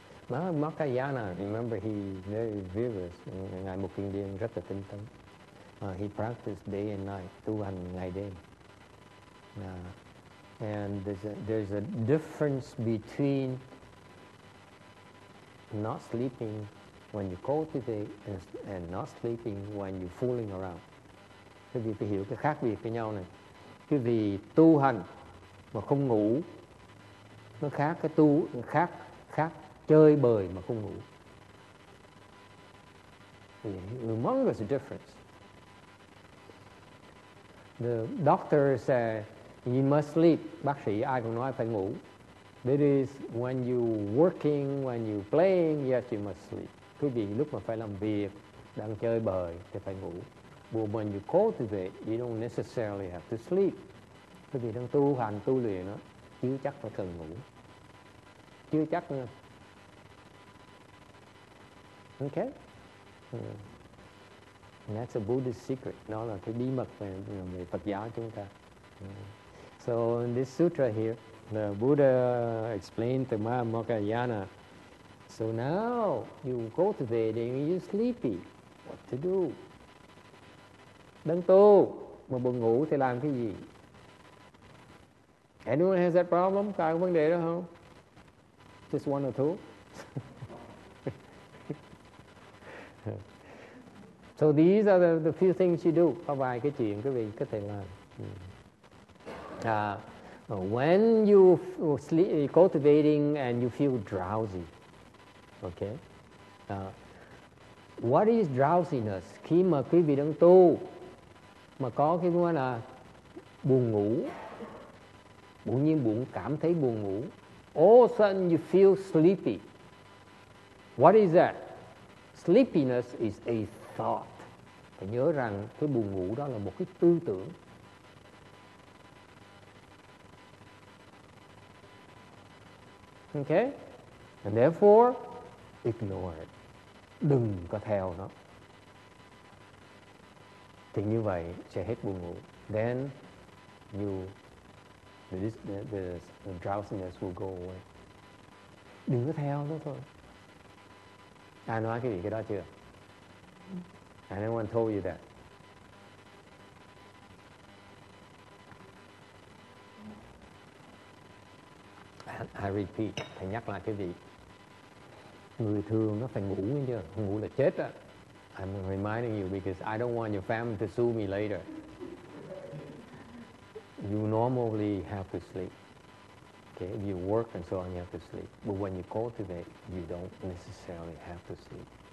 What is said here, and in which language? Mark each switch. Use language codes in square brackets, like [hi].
[en] Mahayana, remember he very vigorous, [vi] ngài Mục Kiên Liên rất là tinh tấn. [en] He practiced day and night, [vi] tu hành ngày đêm. [en] And there's a difference between not sleeping when you cultivate and not sleeping when you're fooling around. [vi] Các vị phải hiểu cái khác biệt với nhau này. Cái vì tu hành mà không ngủ nó khác cái tu khác khác chơi bời mà không ngủ. [en] Humongous difference. The doctor said you must sleep. [vi] Bác sĩ ai cũng nói phải ngủ. [en] That is when you're working, when you're playing, yes, you must sleep. [vi] Quý vị lúc mà phải làm việc, đang chơi bời thì phải ngủ. [en] But when you cultivate, you don't necessarily have to sleep. [vi] Quý vị đang tu hành, tu luyện đó, chưa chắc phải cần ngủ. Chưa chắc nữa. [en] Okay? And that's a Buddhist secret. [vi] Đó là cái bí mật về Phật giáo chúng ta. [en] So in this sutra here, the Buddha explained to Mahamogayana, so now you cultivate and you're sleepy. What to do? [vi] Đang tu mà buồn ngủ thì làm cái gì? [en] Anyone has that problem? [vi] Có ai có vấn đề đó không? [en] Just one or two? So these are the few things you do. [vi] Có vài cái chuyện quý vị có thể làm. [en] When you sleep, cultivating and you feel drowsy, okay? What is drowsiness? [vi] Khi mà quý vị đang tu mà có cái gọi là buồn ngủ, bỗng nhiên buồn cảm thấy buồn ngủ. [en] All of a sudden you feel sleepy. What is that? Sleepiness is a thought. [vi] Phải nhớ rằng cái buồn ngủ đó là một cái tư tưởng. [en] Okay, and therefore, ignore it. [vi] Đừng có theo nó. Thì như vậy sẽ hết buồn ngủ. [en] Then you, the drowsiness will go away. [vi] Đừng có theo nó thôi. Ai nói cái gì cái đó chưa? [en] Anyone told you that? I repeat, [vi] phải nhắc lại cái gì? Người thường nó phải ngủ nguyên chưa? Không ngủ là chết á. [en] I'm reminding you because I don't want your family to sue me later. You normally have to sleep. Okay, if you work and so on, you have to sleep. But when you cultivate, you don't necessarily have to sleep.